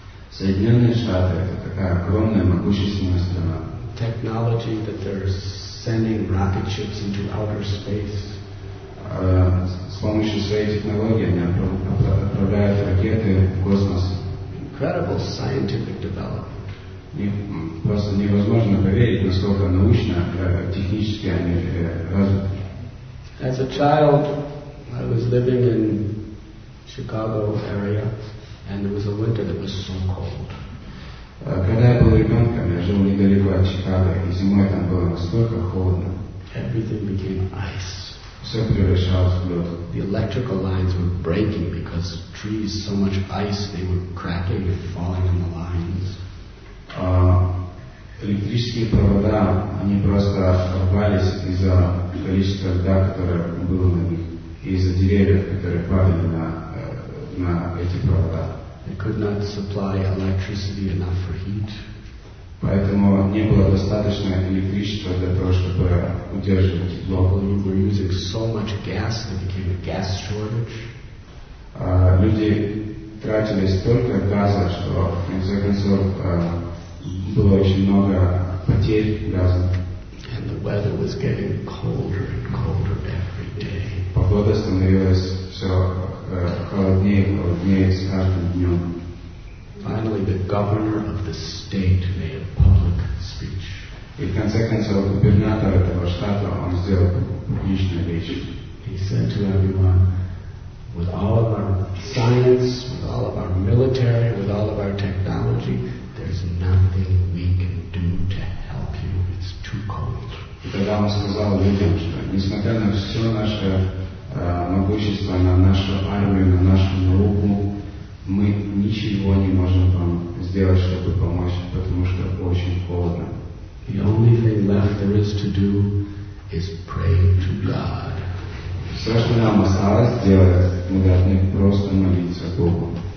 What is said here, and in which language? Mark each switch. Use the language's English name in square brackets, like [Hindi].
[Russian] Соединенные Штаты — это такая огромная, могущественная страна. [English] Technology that they're sending rocket ships into outer space. [Russian] С помощью своей технологии они отправляют ракеты в космос. [English] Incredible scientific development. [Russian] Просто невозможно поверить, насколько научно, технически они развиты. [English] As a child, I was living in Chicago area, and it was a winter that was so cold. [Russian] Когда я был ребенком, я жил недалеко от Чикаго, и зимой там было настолько холодно. [English] Everything became ice. [Russian] Все превращалось в лед. [English] The electrical lines were breaking because trees, so much ice, they were cracking and falling on the lines. [Russian] Электрические провода, они просто рвались из-за количества льда, которое было на них, и из-за деревьев, которые падали на эти провода. [English] They could not supply electricity enough for heat. [Russian] Поэтому не было достаточно электричества для того, чтобы удерживать тепло. [English] People were using so much gas that became a gas shortage. [Russian] Люди тратили столько газа, что в конце концов было очень много потерь газа. [English] And the weather was getting colder and colder every day. [Russian] Погода становилась все холоднее и холоднее с каждым днем. [English] Finally, the governor of the state made a public speech. [Russian] И в конце концов, губернатор этого штата, он сделал публичную речь. [English] He said to everyone, with all of our science, with all of our military, with all of our technology, there's nothing we can do to help you. It's too cold. [Russian] И тогда он сказал людям, что несмотря на все наше могущество, на нашу армию, на нашу науку, мы ничего не можем вам сделать, чтобы помочь, потому что очень холодно. [English] The only thing left there is to do is pray to God. [Russian] Все, что нам осталось сделать, мы должны просто молиться Богу.